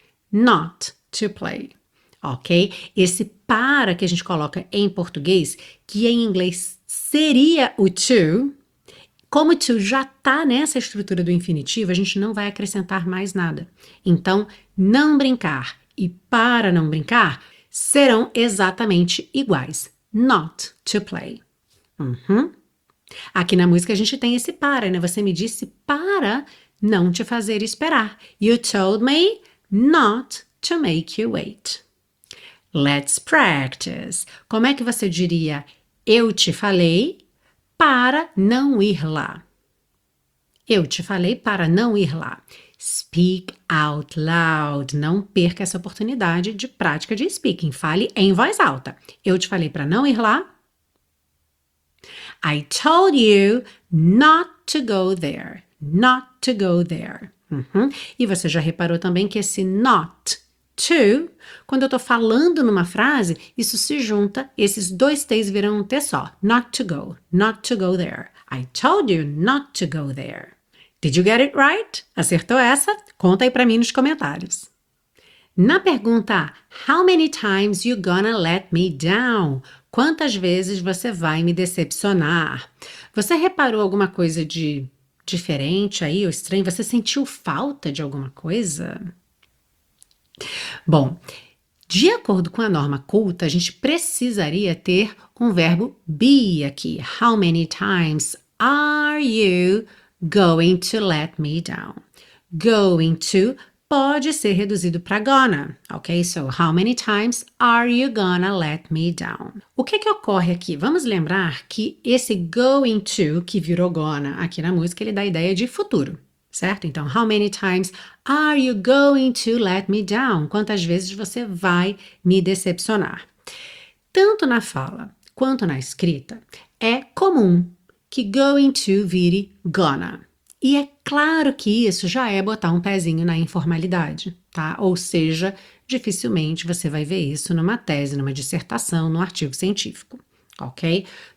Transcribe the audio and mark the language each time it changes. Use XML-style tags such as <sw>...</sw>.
<en>Not to play.</en> <pt>Ok? Esse para que a gente coloca em português, que em inglês seria o to, como to já está nessa estrutura do infinitivo, a gente não vai acrescentar mais nada. Então, não brincar e para não brincar serão exatamente iguais.</pt> <en>Not to play.</en> <pt>Uhum. Aqui na música a gente tem esse para, né? Você me disse para não te fazer esperar.</pt> <en>You told me not to make you wait. Let's practice.</en> <pt>Como é que você diria eu te falei para não ir lá? Eu te falei para não ir lá.</pt> <en>Speak out loud.</en> <pt>Não perca essa oportunidade de prática de speaking. Fale em voz alta. Eu te falei para não ir lá.</pt> <en>I told you not to go there. Not to go there. Uhum.</en> <pt>E você já reparou também que esse not to, quando eu estou falando numa frase, isso se junta, esses dois T's viram um T só.</pt> <en>Not to go, not to go there. I told you not to go there. Did you get it right?</en> <pt>Acertou essa? Conta aí para mim nos comentários. Na pergunta,</pt> <en>how many times you gonna let me down?</en> <pt>Quantas vezes você vai me decepcionar? Você reparou alguma coisa de diferente aí, ou estranho? Você sentiu falta de alguma coisa? Bom, de acordo com a norma culta, a gente precisaria ter um verbo be aqui.</pt> <en>How many times are you going to let me down?</en> <pt>Going to pode ser reduzido para gonna, ok?</pt> <en>So, how many times are you gonna let me down?</en> <pt>O que ocorre aqui? Vamos lembrar que esse going to, que virou gonna aqui na música, ele dá a ideia de futuro. Certo? Então,</pt> <en>how many times are you going to let me down?</en> <pt>Quantas vezes você vai me decepcionar? Tanto na fala quanto na escrita, é comum que going to vire gonna. E é claro que isso já é botar um pezinho na informalidade, tá? Ou seja, dificilmente você vai ver isso numa tese, numa dissertação, num artigo científico. Ok?</pt>